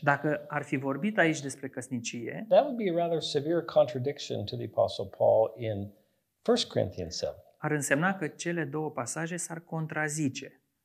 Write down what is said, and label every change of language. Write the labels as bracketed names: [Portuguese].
[Romanian] dacă ar fi vorbit aici despre căsnicie, [English] that would be a rather severe contradiction to the Apostle Paul in 1 Corinthians 7. [Romanian] Ar însemna că cele două pasaje s-ar contrazice.